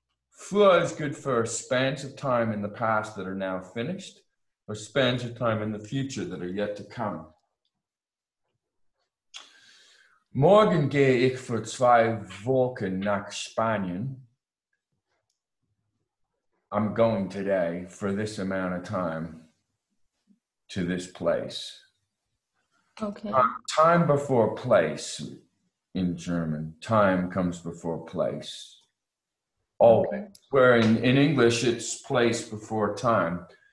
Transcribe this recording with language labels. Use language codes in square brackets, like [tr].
[en] Fuhr is good for spans of time in the past that are now finished, or spans of time in the future that are yet to come. [de] Morgen gehe ich für zwei Wochen nach Spanien. [en] I'm going today for this amount of time to this place. Okay. Time before place. In German, time comes before place. Always. Okay. Where in English, it's place before time.